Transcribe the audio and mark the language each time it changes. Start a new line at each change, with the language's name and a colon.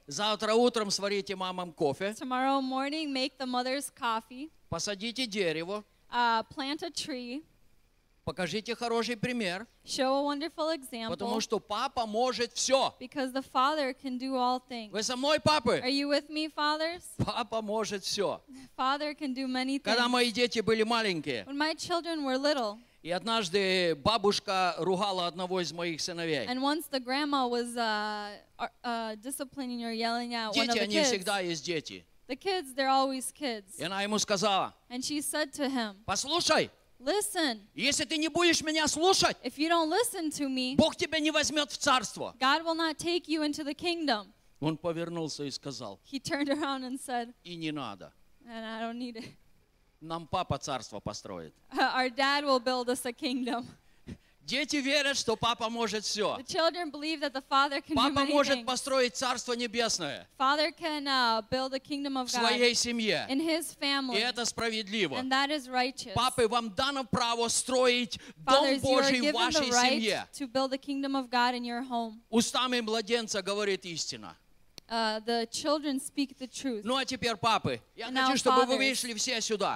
Russian: Завтра утром сварите мамам кофе.
English: Tomorrow morning, make the mothers coffee.
Russian: Посадите дерево.
English: Plant a tree.
Russian: Покажите хороший пример.
English: Show a wonderful example.
Russian: Потому что папа может все.
English: Because the father can do all things.
Russian: Вы со мной, папы?
English: Are you with me, fathers?
Russian: Папа может все.
English: Father can do many things.
Russian: Когда мои дети были маленькие.
English: When my children were little.
Russian: И однажды бабушка ругала одного из моих сыновей.
English: And once the grandma was disciplining or yelling at
Russian: дети,
English: one of the kids.
Russian: Дети, они всегда есть дети.
English: The kids, they're always kids.
Russian: И она ему сказала.
English: And she said to him.
Russian: Послушай.
English: Listen.
Russian: Если ты не будешь меня слушать.
English: If you don't listen to me.
Russian: Бог тебя не возьмет в царство.
English: God will not take you into the kingdom.
Russian: Он повернулся и сказал.
English: He turned around and said.
Russian: И не надо.
English: And I don't need it.
Russian: Нам папа царство построит.
English: Our dad will build us a kingdom.
Russian: Дети верят, что папа может все.
English: The children believe that the father can
Russian: папа
English: do many things.
Russian: Папа может построить царство небесное.
English: Father can build a kingdom of
Russian: God. В своей семье.
English: In his family.
Russian: И это справедливо.
English: And that is righteous.
Russian: Папы, вам дано право строить дом
English: Fathers,
Russian: Божий
English: you are given
Russian: в вашей
English: the right
Russian: семье.
English: To build a kingdom of God in your home.
Russian: Устами младенца говорит истина.
English: The children speak the truth.
Russian: Ну а теперь папы, я хочу, чтобы вы вышли все сюда.